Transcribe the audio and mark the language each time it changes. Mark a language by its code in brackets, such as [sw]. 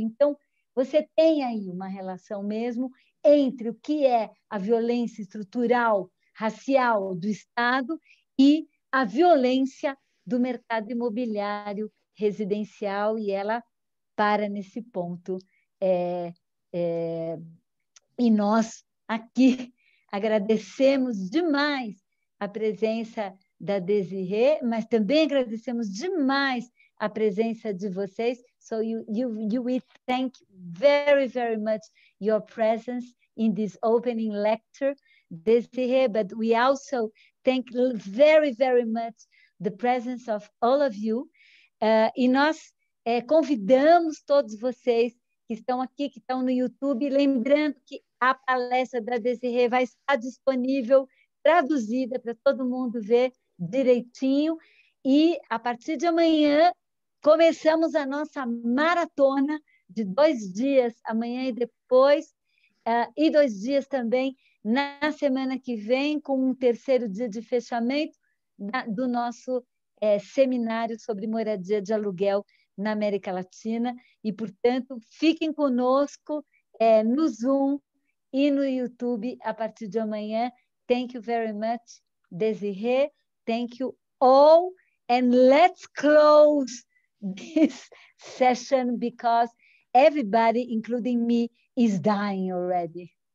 [pt] Então, você tem aí uma relação mesmo entre o que é a violência estrutural racial do Estado e a violência do mercado imobiliário residencial, e ela para nesse ponto. E nós aqui agradecemos demais a presença da Desirê, mas também agradecemos demais a presença de vocês. [en] So you we thank very, very much your presence in this opening lecture, Desirê, but we also thank very, very much the presence of all of you. [pt] E nós convidamos todos vocês que estão aqui, que estão no YouTube, lembrando que a palestra da Desirê vai estar disponível, traduzida para todo mundo ver direitinho. E a partir de amanhã, começamos a nossa maratona de 2 dias, amanhã e depois, e 2 dias também na semana que vem, com um terceiro dia de fechamento do nosso seminário sobre moradia de aluguel na América Latina. E, portanto, fiquem conosco no Zoom e no YouTube a partir de amanhã. [en] Thank you very much, Desirê. Thank you all. And let's close this session because everybody, including me, is dying already.